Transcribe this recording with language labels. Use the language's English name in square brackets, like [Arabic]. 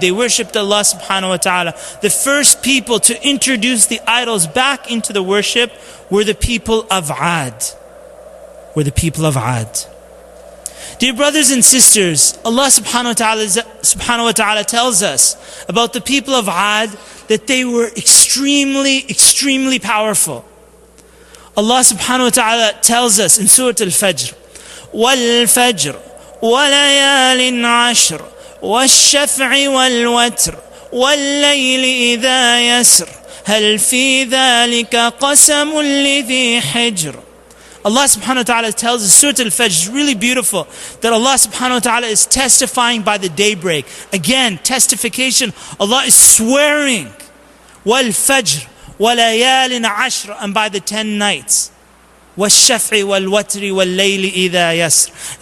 [English] They worshipped Allah subhanahu wa ta'ala. The first people to introduce the idols back into the worship were the people of Aad. Were the people of Aad. Dear brothers and sisters, Allah subhanahu wa ta'ala tells us about the people of Aad that they were extremely, extremely powerful. Allah subhanahu wa ta'ala tells us in Surah Al-Fajr, [Arabic] وَالْفَجْرِ وَلَيَالٍ عَشْرٍ وَالشَّفْعِ وَالْوَتْرِ وَالْلَّيْلِ إِذَا يَسْرِ هَلْ فِي ذَلِكَ قَسَمٌ لِذِي حِجْرٍ. [English] Allah subhanahu wa ta'ala tells us, Surah Al-Fajr is really beautiful, that Allah subhanahu wa ta'ala is testifying by the daybreak. Again, testification, Allah is swearing, [Arabic] وَالْفَجْرِ وَلَيَالٍ عَشْرٍ, [English] and by the 10 nights. [Arabic] وَالشَّفْعِ وَالْوَتْرِ وَاللَّيْلِ إِذَا يَسْرٍ.